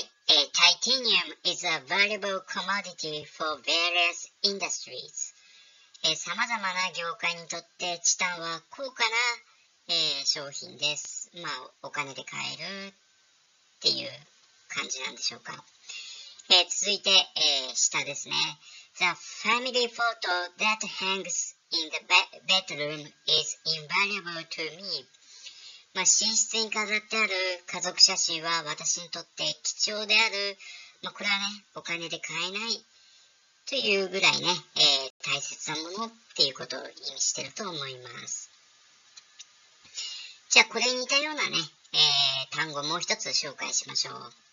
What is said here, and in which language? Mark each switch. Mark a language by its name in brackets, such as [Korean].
[English] Titanium is a valuable commodity for various industries. [Japanese] さまざまな業界にとってチタンは高価な、商品です。お金で買えるっていう感じなんでしょうか。続いて、下ですね。 [English] The family photo that hangs in the bedroom is invaluable to me. [Japanese] 寝室に飾ってある家族写真は私にとって貴重である。これはね、お金で買えないというぐらいね、大切なものっていうことを意味してると思います。じゃあ、これに似たようなね、単語もう一つ紹介しましょう。